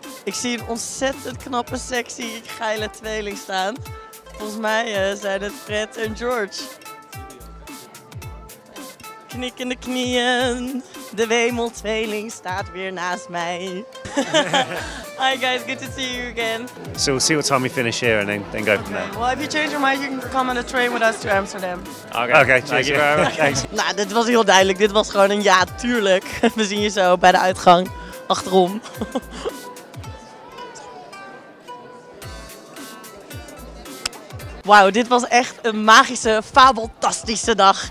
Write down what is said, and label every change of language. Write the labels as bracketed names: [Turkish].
[Dutch] Ik zie een ontzettend knappe, sexy, geile tweeling staan. Volgens mij zijn het Fred en George. Knikkende knieën, de wemeltweeling staat weer naast mij. [English] Hi guys, good to see you again. So we'll see what time we finish here and then go from there. Well, if you change your mind, you can come on the train with us to Amsterdam. Okay, thank you very much. [Dutch] Nou, dit was heel duidelijk. Dit was gewoon een ja, tuurlijk. We zien je zo bij de uitgang, achterom. Wauw, dit was echt een magische, fabeltastische dag.